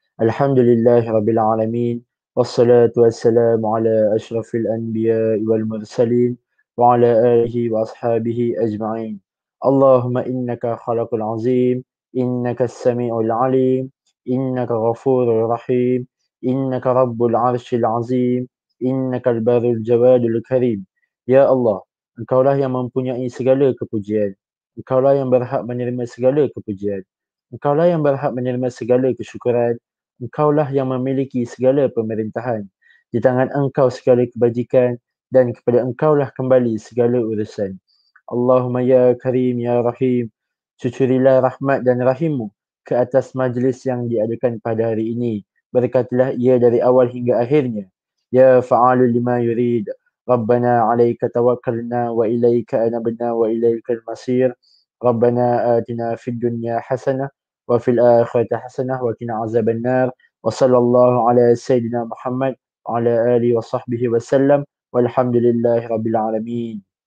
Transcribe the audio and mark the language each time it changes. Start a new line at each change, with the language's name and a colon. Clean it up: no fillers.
Arabic: الحمد لله رب العالمين والصلاة والسلام على أشرف الأنبياء والمرسلين وعلى آله وأصحابه أجمعين. اللهم إنك خالق العظيم، إنك السميع العليم، إنك غفور رحيم، إنك رب العرش العظيم، Innakal barul jawadul karim.
Malay: Ya Allah, Engkaulah yang mempunyai segala kepujian. Engkaulah yang berhak menerima segala kepujian. Engkaulah yang berhak menerima segala kesyukuran. Engkaulah yang memiliki segala pemerintahan. Di tangan Engkau segala kebajikan dan kepada Engkaulah kembali segala urusan.
Arabic: Allahumma ya karim ya rahim,
Malay: cucurilah rahmat dan rahimmu ke atas majlis yang diadakan pada hari ini. Berkatilah ia dari awal hingga akhirnya.
Arabic: يا فعال لما يريد ربنا عليك توكلنا وإليك أنبنا وإليك المصير ربنا آتنا في الدنيا حسنة وفي الآخرة حسنة وقنا عذاب النار وصلى الله على سيدنا محمد وعلى آله وصحبه وسلم والحمد لله رب العالمين.